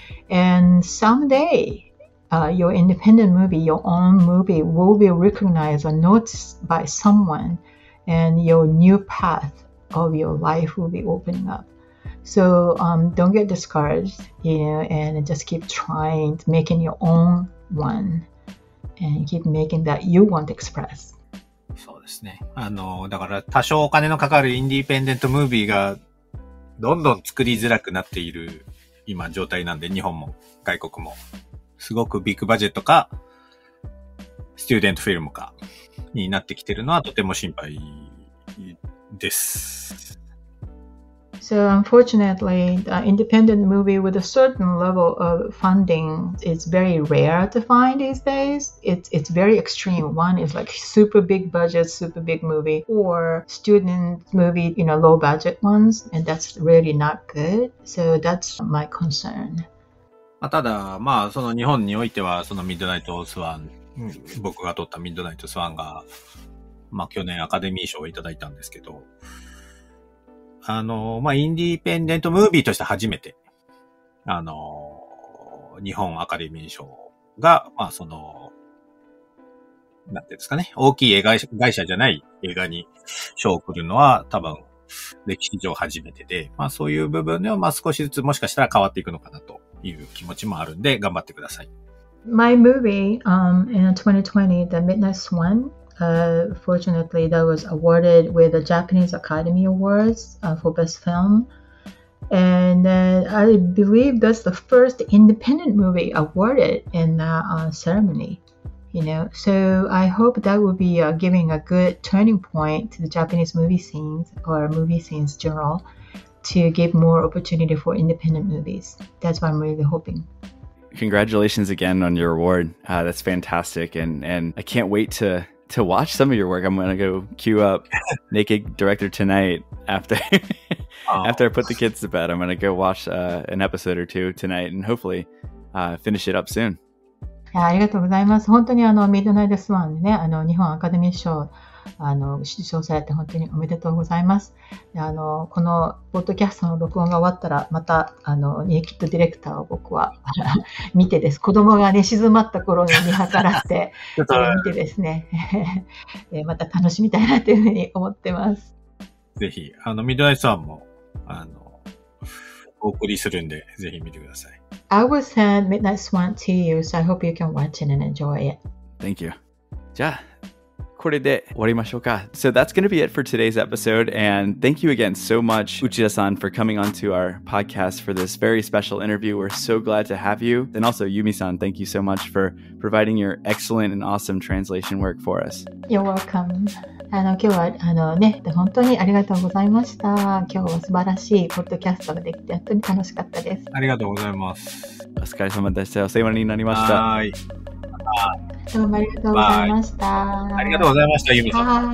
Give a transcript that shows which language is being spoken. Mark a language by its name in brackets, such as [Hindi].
[English] And someday, your independent movie, your own movie, will be recognized or noticed by someone, and your new path of your life will be opening up. So don't get discouraged, you know, and just keep trying to make your own one. And keep making that you want to express. [Japanese] そうですね。だから多少お金のかかるインディペンデントムービーがどんどん作りづらくなっている今状態なんで、日本も外国も。すごくビッグバジェットか、スチューデントフィルムかになってきてるのはとても心配です。 [English] So unfortunately, an independent movie with a certain level of funding is very rare to find these days. It's very extreme. One is like super big budget, super big movie, or student movie, you know, low budget ones, and that's really not good. So that's my concern. [Japanese] まあただまあその日本においてはそのミッドナイトスワン、僕が撮ったミッドナイトスワンがまあ去年アカデミー賞をいただいたんですけど。まあ、インディペンデントムービーとして初めて、日本アカデミー賞が、まあ、その、なんていうんですかね、大きい映画会社じゃない映画に賞を送るのは多分歴史上初めてで、まあ、そういう部分では、まあ、少しずつもしかしたら変わっていくのかなという気持ちもあるんで、頑張ってください。 [English] My movie, in 2020, The Midnight Swan. Fortunately, that was awarded with the Japanese Academy Awards for Best Film. And I believe that's the first independent movie awarded in that ceremony. You know, so I hope that will be giving a good turning point to the Japanese movie scenes or movie scenes in general to give more opportunity for independent movies. That's what I'm really hoping. Congratulations again on your award. That's fantastic. And I can't wait to watch some of your work. I'm going to go queue up Naked Director tonight after, after I put the kids to bed. I'm going to go watch an episode or two tonight and hopefully finish it up soon. [Japanese] ありがとうございます。本当にミッドナイトスワンでね、日本アカデミー賞受賞されて本当におめでとうございます。このポッドキャストの録音が終わったら、またネイキッドディレクターを僕は見てです。子供が寝静まった頃に見計らって、それ見てですね、また楽しみたいなというふうに思ってます。ぜひ、ミッドナイトさんもお送りするんで、ぜひ見てください。 [English] I will send Midnight Swan to you, so I hope you can watch it and enjoy it. Thank you. [Japanese] じゃあ、これで終わりましょうか。 [English] So that's going to be it for today's episode. And thank you again so much, Uchida-san, for coming onto our podcast for this very special interview. We're so glad to have you. And also, Yumi-san, thank you so much for providing your excellent and awesome translation work for us. You're welcome. [Japanese] 今日はね、本当にありがとうございました。今日は素晴らしいポッドキャストができて、本当に楽しかったです。ありがとうございます。お疲れ様でした。お世話になりました。はい。どうもありがとうございました。ありがとうございました、ゆみさん。